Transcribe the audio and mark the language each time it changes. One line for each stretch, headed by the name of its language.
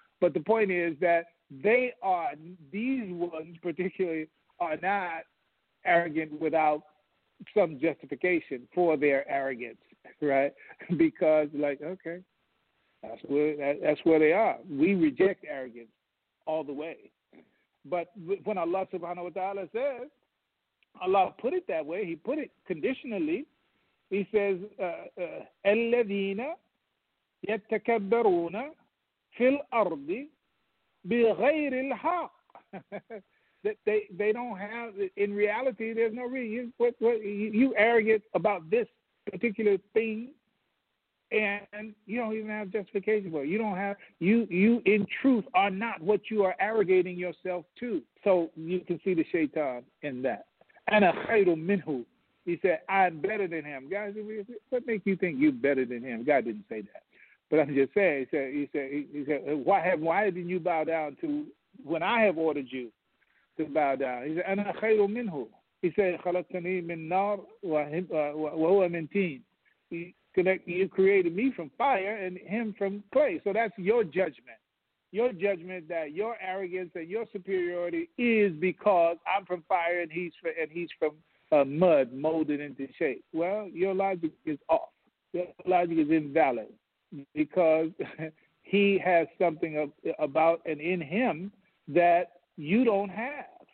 English: But the point is that they are, these ones particularly, are not arrogant without some justification for their arrogance, right? Because, like, okay, that's where they are. We reject arrogance all the way. But when Allah subhanahu wa ta'ala says, Allah put it that way. He put it conditionally. He says,
Arabic: الَّذِينَ يَتَكَبَّرُونَ فِي الْأَرْضِ بِغَيْرِ الْحَقِّ.
English: That they don't have, in reality, there's no reason. You arrogant about this particular thing, and you don't even have justification for it. You don't have, you in truth are not what you are arrogating yourself to. So you can see the shaitan in that.
Arabic: أَنَا خَيْرٌ مِّنْهُ.
English: He said, I'm better than him. Guys, what makes you think you're better than him? God didn't say that. But I'm just saying, he said, why didn't you bow down to when I have ordered you to bow down? He said,
Arabic: أَنَا خَيْرٌ مِّنْهُ.
English: He said,
Arabic: خَلَقْتَنِي مِنْ نَارٍ وَهُوَ مِنْ تِينٍ.
English: You created me from fire and him from clay. So that's your judgment. Your judgment that your arrogance and your superiority is because I'm from fire and he's from mud molded into shape. Well, your logic is off. Your logic is invalid because he has something about and in him that you don't have.